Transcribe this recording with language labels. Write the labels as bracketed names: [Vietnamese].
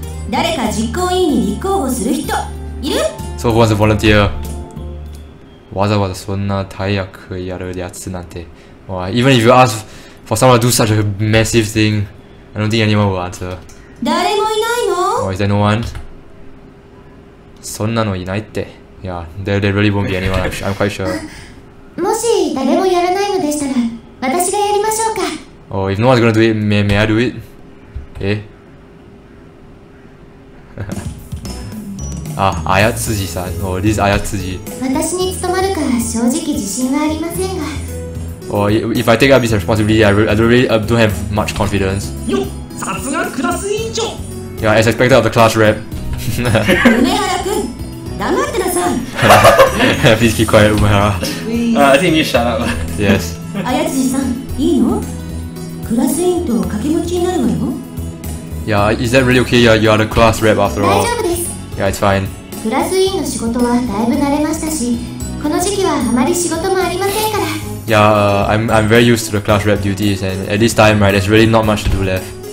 [Japanese] 誰か実行委員に立候補する人、いる? [English] So who wants to volunteer? [Japanese] わざわざそんな大役やるやつなんて。 [English] Oh, even if you ask for someone to do such a massive thing, I don't think anyone will answer. [Japanese] 誰もいないの? [English] Oh, is there no one? [Japanese] そんなのいないって。 [English] Yeah, there really won't be anyone, I'm quite sure. [Japanese] もし誰もやらないのでしたら、私がやりましょうか。 [English] Oh, if no one's gonna do it, may I do it? [Japanese] あやつじさん、おー、リズあやつじ。私に務まるか正直自信はありませんが。 [English] Or if I take up this responsibility, I really don't have much confidence. [Japanese] Yo, さすがクラス委員長! [English] Yeah, as expected of the class rep. [Japanese] 梅原くん、黙ってなさい! [English] Please keep quiet, 梅原. I think you shut up. Yes. [Japanese] 綾辻さん、いいの? クラス委員と掛け持ちになるわよ。 [English] Yeah, is that really okay? You are the class rep after all. [Japanese] 大丈夫です。 [English] Yeah, it's fine. [Japanese] クラス委員の仕事はだいぶ慣れましたし、この時期はあまり仕事もありませんから。 [English] Yeah, I'm very used to the class rep duties, and at this time, right, there's really not much to do left.